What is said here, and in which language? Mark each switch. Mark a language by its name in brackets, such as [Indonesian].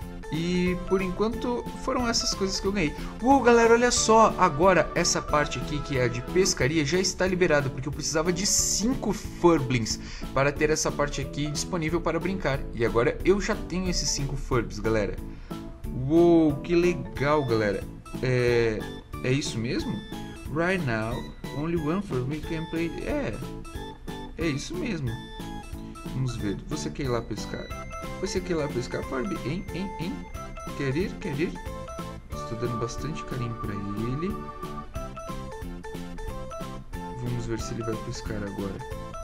[Portuguese] E por enquanto foram essas coisas que eu ganhei. Galera, olha só, agora essa parte aqui que é a de pescaria já está liberada, porque eu precisava de 5 Furblings para ter essa parte aqui disponível para brincar. E agora eu já tenho esses 5 Furbs, galera. Que legal, galera. É isso mesmo? [English] Right now, only one Furby can play. [Portuguese] É isso mesmo. Vamos ver, você quer ir lá pescar? Você quer ir lá pescar, Furby? Hein? Quer ir? Quer ir? Estou dando bastante carinho para ele. Vamos ver se ele vai pescar agora.